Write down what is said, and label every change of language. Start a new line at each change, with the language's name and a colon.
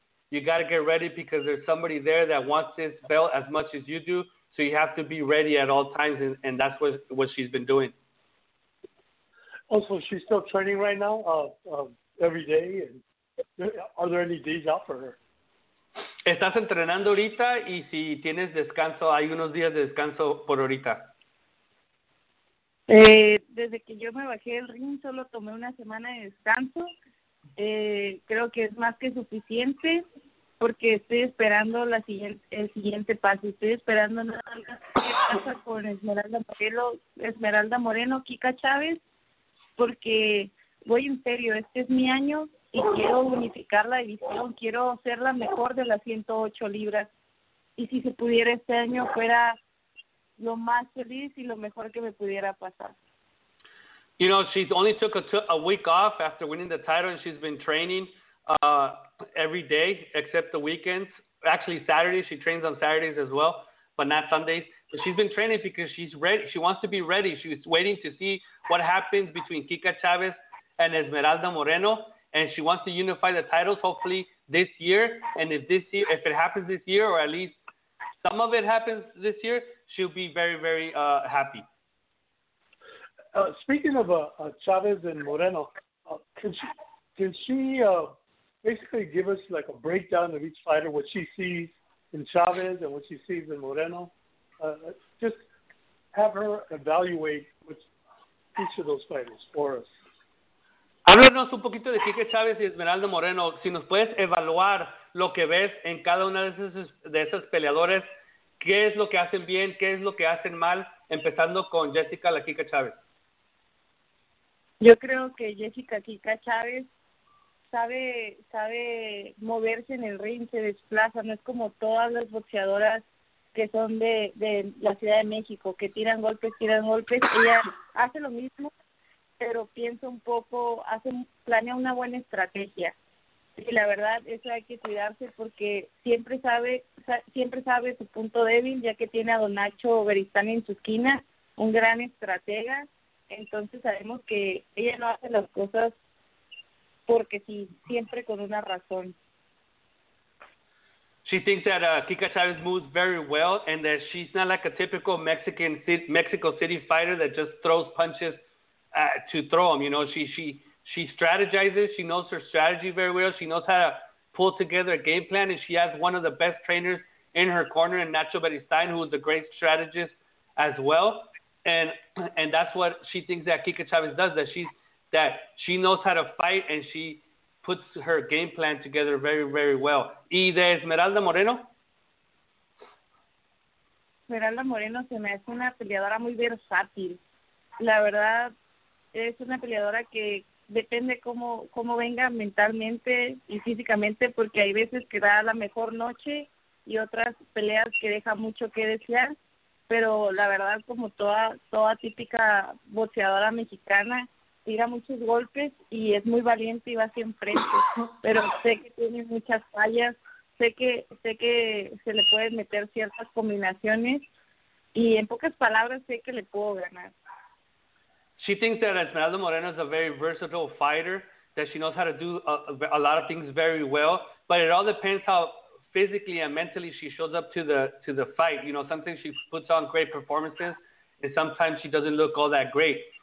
English: You got to get ready because there's somebody there that wants this belt as much as you do. So you have to be ready at all times, and that's what she's been doing. Also, she's still training right now, every day. And are there any days out for her?
Spanish: Estás entrenando ahorita, y si tienes descanso, hay unos días de descanso por ahorita. Desde que yo me bajé del ring, solo tomé una semana de descanso. Creo que es más que suficiente. Porque estoy esperando el siguiente paso. Estoy esperando nada más qué pasa con Esmeralda Moreno, Kika Chávez, porque voy en serio, este es mi año y quiero unificar la división, quiero ser la mejor de las 108 libras. Y si se pudiera este año, fuera lo más feliz y lo mejor que me pudiera pasar.
English: You know, she only took a week off after winning the title and she's been training. every day except the weekends. Actually, Saturdays. She trains on Saturdays as well, but not Sundays. But she's been training because she's ready. She wants to be ready. She's waiting to see what happens between Kika Chavez and Esmeralda Moreno, and she wants to unify the titles hopefully this year. And if this year, if it happens this year, or at least some of it happens this year, she'll be very, very happy. Speaking of Chavez and Moreno, can she basically give us like a breakdown of each fighter, what she sees in Chavez and what she sees in Moreno? Just have her evaluate each of those fighters for us.
Spanish: Háblanos un poquito de Kike Chavez y Esmeralda Moreno. Si nos puedes evaluar lo que ves en cada una de esas peleadoras, ¿qué es lo que hacen bien? ¿Qué es lo que hacen mal? Empezando con Jessica, la Kike Chavez. Yo creo que Jessica Kika Chávez sabe moverse en el ring, se desplaza. No es como todas las boxeadoras que son de la Ciudad de México, que tiran golpes. Ella hace lo mismo, pero piensa un poco, planea una buena estrategia. Y la verdad, eso hay que cuidarse porque siempre sabe su punto débil, ya que tiene a Don Nacho Beristán en su esquina, un gran estratega. Entonces sabemos que ella no hace las cosas porque sí, siempre con una razón.
English: She thinks that Kika Chavez moves very well and that she's not like a typical Mexico City fighter that just throws punches to throw them. You know, she strategizes. She knows her strategy very well. She knows how to pull together a game plan, and she has one of the best trainers in her corner, and Nacho Beristain, who is a great strategist as well. And that's what she thinks that Kika Chavez does, that she knows how to fight and she puts her game plan together very, very well.
Spanish: ¿Y de Esmeralda Moreno? Esmeralda Moreno se me hace una peleadora muy versátil. La verdad, es una peleadora que depende cómo venga mentalmente y físicamente, porque hay veces que da la mejor noche y otras peleas que deja mucho que desear. Pero la verdad, como toda típica boxeadora mexicana, tira muchos golpes y es muy valiente y va hacia enfrente. Pero sé que tiene muchas fallas, sé que se le pueden meter ciertas combinaciones y en pocas palabras sé que le puedo ganar.
English: She thinks that Esmeralda Moreno is a very versatile fighter, that she knows how to do a lot of things very well, but it all depends how physically and mentally she shows up to the fight. You know, sometimes she puts on great performances and sometimes she doesn't look all that great.